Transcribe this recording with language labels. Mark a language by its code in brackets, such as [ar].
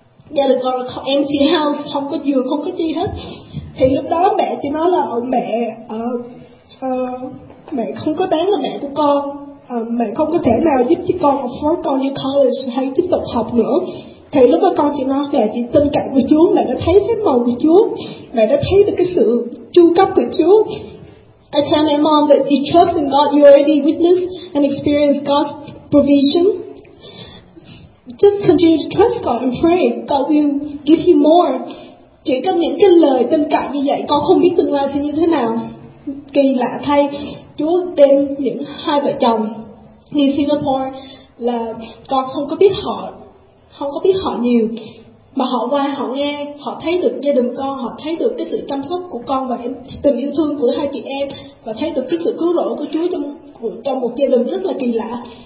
[vi] Gia đình con là [en] empty house, [vi] không có giường, không có gì hết. Thì lúc đó mẹ chỉ nói là mẹ không có đáng là mẹ của con, mẹ không có thể nào giúp cho con afford con như college hay tiếp tục học nữa. Thì lúc đó con chỉ nói mẹ chỉ tin cậy của Chúa, mẹ đã thấy phép màu của Chúa, mẹ đã thấy được cái sự chu cấp của Chúa. [en] I tell my mom that you trust in God, you already witnessed and experienced God's provision. Just continue to trust God and pray, God will give you more. [vi] Chỉ có những cái lời tin cậy như vậy, con không biết tương lai sẽ như thế nào. Kỳ lạ thay, Chúa đem những hai vợ chồng đi Singapore, là con không có biết họ, không có biết họ nhiều, mà họ qua họ nghe, họ thấy được gia đình con, họ thấy được cái sự chăm sóc của con và tình yêu thương của hai chị em, và thấy được cái sự cứu rỗi của Chúa trong một gia đình rất là kỳ lạ.